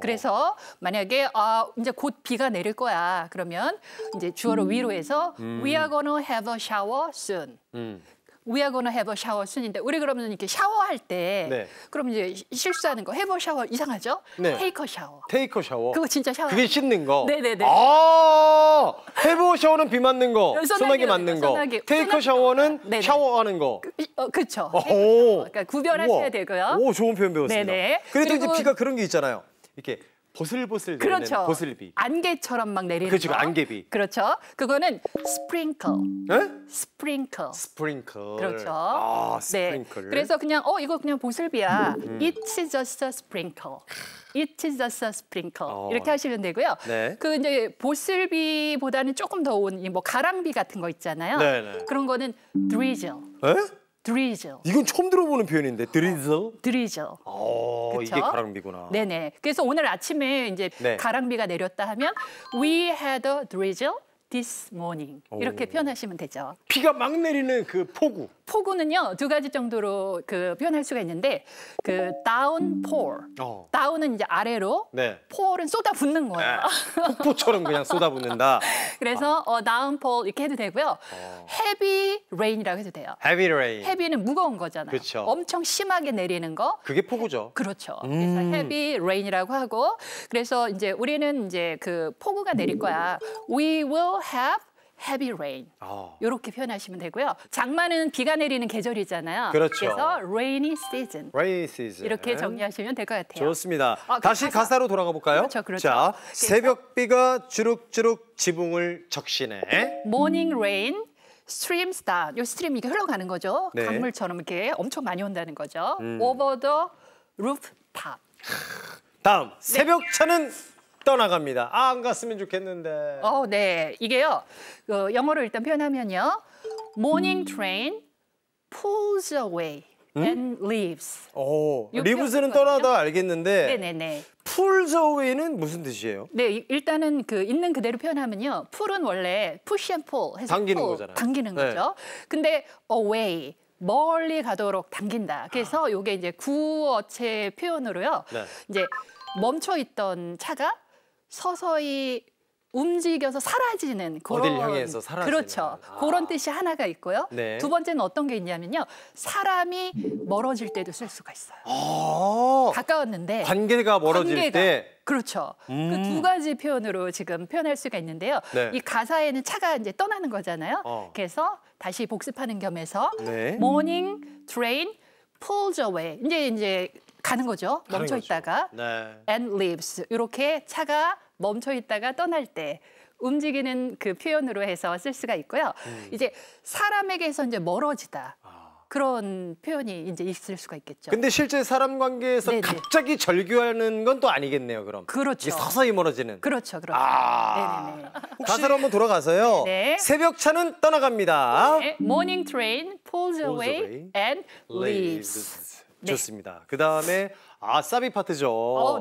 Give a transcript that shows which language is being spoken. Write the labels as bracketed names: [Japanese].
[Korean] 그래서 만약에 이제 곧 비가 내릴 거야. 그러면 이제 주어를 위로 해서 [English] We are gonna have a shower soon. We are gonna have a shower soon인데 [Korean] 우리 그러면 이렇게 샤워할 때 네. 그럼 이제 실수하는 거 [English] have a shower [Korean] 이상하죠? 네. [English] Take a shower. [Korean] 그거 진짜 샤워. 그게 씻는 거. 네네네. 아, [English] have a shower [Korean] 는 비 맞는 거. 소나기 맞는 거. 소나기. [English] Take a shower는 [Korean] 네네. 샤워하는 거. 그렇죠. 오. 그러니까 구별하셔야 되고요. 오, 좋은 표현 배웠습니다. 네네. 그래도 이제 비가 그런 게 있잖아요. 이렇게 보슬보슬 그렇죠. 내리는 보슬비. 안개처럼 막 내리는 그렇죠. 거. 안개비. 그렇죠. 그거는 스프링클. 에? 스프링클. 스프링클. 그렇죠. 아, 스프링클. 네. 그래서 그냥 이거 그냥 보슬비야. [English] It's just a sprinkle. It is just a sprinkle. [Korean] 이렇게 하시면 되고요. 네. 그 이제 보슬비보다는 조금 더 온 이 뭐 가랑비 같은 거 있잖아요. 네, 네. 그런 거는 drizzle. 에? [English] Drizzle. [Korean] 이건 처음 들어보는 표현인데, drizzle. [English] Drizzle. [Korean] 이게 가랑비구나. 네네. 그래서 오늘 아침에 이제 네. 가랑비가 내렸다 하면 [English] We had a drizzle this morning. [Korean] 이렇게 표현하시면 되죠. 비가 막 내리는 그 폭우. 폭우는요 두 가지 정도로 그 표현할 수가 있는데 그 downpour. Down은 이제 아래로, 네. pour은 쏟아붓는 거예요. 폭포처럼 그냥 쏟아붓는다. 그래서 downpour 이렇게 해도 되고요. [English] Heavy rain [Korean] 이라고 해도 돼요. [English] Heavy rain. [Korean] Heavy는 무거운 거잖아요. 그렇죠. 엄청 심하게 내리는 거. 그게 폭우죠. 그렇죠. 그래서 heavy rain이라고 하고 그래서 이제 우리는 이제 그 폭우가 내릴 거야. [English] We will have heavy rain. [Korean] 이렇게 표현하시면 되고요. 장마는 비가 내리는 계절이잖아요. 그렇죠. [English] 그래서 rainy season. Rainy season. [Korean] 이렇게 정리하시면 될 것 같아요. 좋습니다. 다시 가사로 돌아가 볼까요? 그렇죠, 그렇죠. 자, 새벽비가 주룩주룩 지붕을 적시네. [English] Morning rain streams down. [Korean] 요 stream 이게 흘러가는 거죠. 네. 강물처럼 이렇게 엄청 많이 온다는 거죠. [English] Over the rooftop. [Korean] 다음 새벽차는 네. 떠나갑니다. 아, 안 갔으면 좋겠는데. 네. 이게요. 그 영어로 일단 표현하면요. [English] Morning train pulls away and leaves. [Korean] leaves는 떠나다 알겠는데. 네네네. 풀즈 어웨이는 무슨 뜻이에요? 네, 일단은 그 있는 그대로 표현하면요. 풀은 원래 [English] push and pull [Korean] 해서 당기는 [English] pull, [Korean] 거잖아요. 당기는 네. 거죠. 근데 away 멀리 가도록 당긴다. 그래서 이게 이제 구어체 표현으로요. 네. 이제 멈춰 있던 차가 서서히 움직여서 사라지는 그런 어딜 향해서 사라지는 그렇죠. 아. 그런 뜻이 하나가 있고요. 네. 두 번째는 어떤 게 있냐면요. 사람이 멀어질 때도 쓸 수가 있어요. 아. 가까웠는데 관계가 멀어질 관계가. 때 그렇죠. 그 두 가지 표현으로 지금 표현할 수가 있는데요. 네. 이 가사에는 차가 이제 떠나는 거잖아요. 그래서 다시 복습하는 겸해서 네. [English] morning train pulls away. [Korean] 이제 가는 거죠. 멈춰 있다가 네. [English] and leaves. [Korean] 이렇게 차가 멈춰 있다가 떠날 때 움직이는 그 표현으로 해서 쓸 수가 있고요. 이제 사람에게서 이제 멀어지다. 그런 표현이 이제 있을 수가 있겠죠. 근데 실제 사람 관계에서 네네. 갑자기 절규하는 건 또 아니겠네요, 그럼. 그렇죠. 서서히 멀어지는. 그렇죠, 그렇죠. 아~ 네네네. 혹시... 가사로 한번 돌아가서요. 네네. 새벽 차는 떠나갑니다. 네. [English] Morning train pulls away and leaves. [Korean] 네. 좋습니다. 그 다음에 아싸비 파트죠.